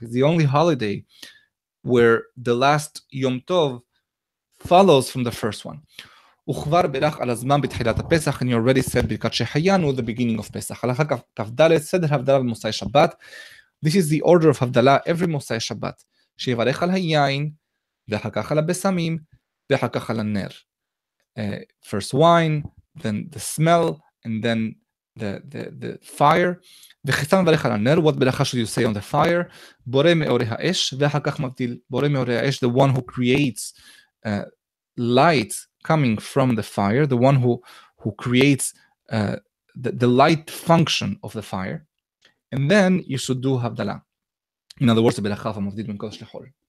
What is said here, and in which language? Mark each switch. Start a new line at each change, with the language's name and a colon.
English: It's the only holiday where the last Yom Tov follows from the first one.
Hebrew: וכבר בירך על הזמן בתחילת הפסח,
English: and you already said ברכת שחיינו, the beginning of Pesach.
Hebrew: הלכה כבדלת, סדר הבדלה במוסאי שבת.
English: This is the order of הבדלה, every מוסאי שבת.
Hebrew: שיברך על היין, ואחר כך על הבשמים, ואחר כך על הנר.
English: First wine, then the smell, and then the fire.
Hebrew: וכסן מברך על הנר,
English: what ברכה should you say on the fire?
Hebrew: בורא מאורי האש, ואחר כך מבדיל, בורא מאורי האש,
English: the one who creates light coming from the fire, the one who creates the light function of the fire, and then you should do הבדלה. In other words,
Hebrew: ברכה ומבדיל בין קודש לחול.